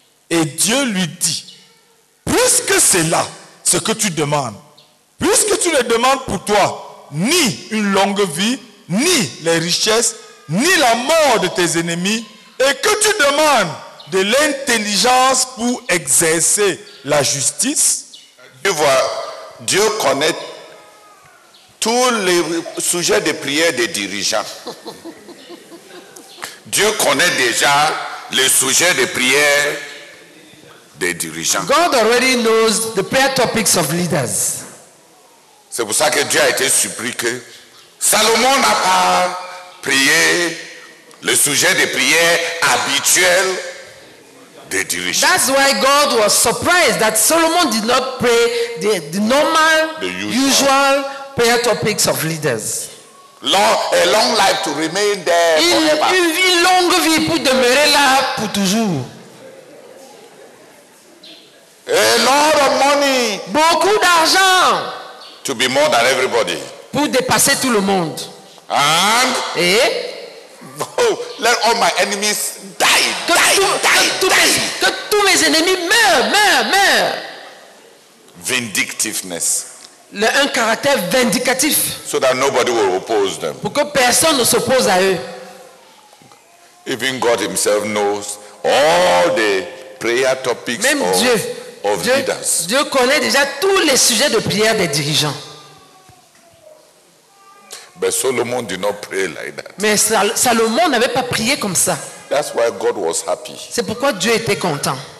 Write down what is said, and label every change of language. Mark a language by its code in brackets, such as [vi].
[fr] Et Dieu lui dit, puisque c'est là ce que tu demandes, puisque tu ne demandes pour toi ni une longue vie, ni les richesses, ni la mort de tes ennemis, et que tu demandes de l'intelligence pour exercer la justice. Tu vois, Dieu connaît tous les sujets de prière des dirigeants. Dieu connaît déjà les sujets de prière des dirigeants. [en] God already knows the prayer topics of leaders. [fr] C'est pour ça que Dieu a été surpris que Salomon n'a pas prié le sujet de prière habituel. [en] That's why God was surprised that Solomon did not pray the normal, the usual prayer topics of leaders. Long, a long life to remain there forever. [fr] Une vie longue vie pour demeurer là pour toujours. [en] A lot of money. [fr] Beaucoup d'argent. [en] To be more than everybody. [fr] Pour dépasser tout le monde. [en] And? [fr] Et? [en] Let all my enemies die, [fr] que [en] die, [fr] tout, [en] die. [fr] Que tous mes ennemis meurent. [en] Vindictiveness. [fr] Un caractère vindicatif. [en] So that nobody will oppose them. [fr] Pour que personne ne s'oppose à eux. [en] Even God himself knows all the prayer topics. [fr] Même [en] of, [fr] Dieu, [en] of [fr] Dieu, [en] leaders. [fr] Dieu connaît déjà tous les sujets de prière des dirigeants. [en] But Solomon did not pray like that. [fr] Mais Salomon n'avait pas prié comme ça. [en] That's why God was happy. [fr] C'est pourquoi Dieu était content.